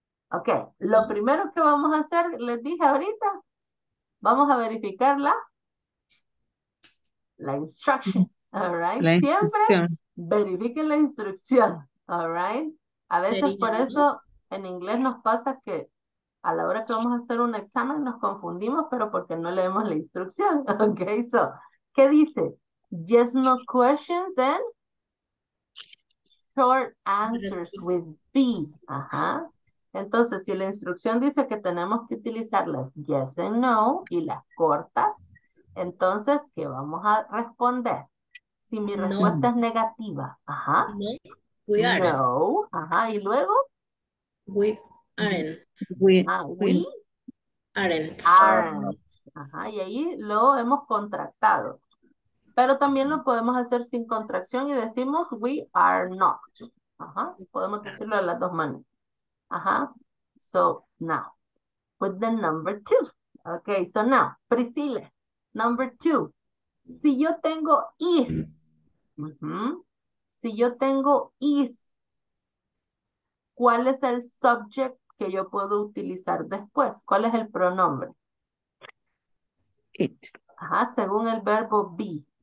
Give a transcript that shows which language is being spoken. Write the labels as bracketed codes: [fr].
[es] Ok, lo primero que vamos a hacer, les dije ahorita, vamos a verificar la instrucción. [en] All right. [es] La siempre instrucción. Verifiquen la instrucción. [en] All right. [es] A veces por eso en inglés nos pasa que a la hora que vamos a hacer un examen nos confundimos, pero porque no leemos la instrucción. Ok, so, ¿qué dice? [en] Yes, no questions and short answers with be. [es] Ajá. Entonces, si la instrucción dice que tenemos que utilizar las [en] yes and no [es] y las cortas, entonces, ¿qué vamos a responder? Si mi respuesta es negativa. Ajá. [en] We are. [es] No. Ajá. ¿Y luego? [en] We aren't. We aren't. [es] Aren't. Ajá. Y ahí lo hemos contractado. Pero también lo podemos hacer sin contracción y decimos [en] we are not. [es] Ajá. Y podemos decirlo de las dos maneras. Ajá. [en] So, now, with the number two. Okay, so now, Priscila, number two. [es] Si yo tengo is, si yo tengo is, ¿cuál es el subject que yo puedo utilizar después? ¿Cuál es el pronombre? [en] It. [es] Ajá, según el verbo be.